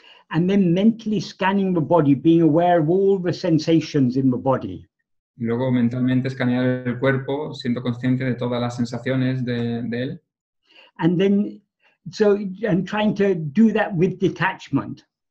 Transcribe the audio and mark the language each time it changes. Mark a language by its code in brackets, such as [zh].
[en] And then mentally scanning the body, being aware of all the sensations in the body. [es] Luego mentalmente escanear el cuerpo, siendo consciente de todas las sensaciones de él. [en] And then, and trying to do that with detachment.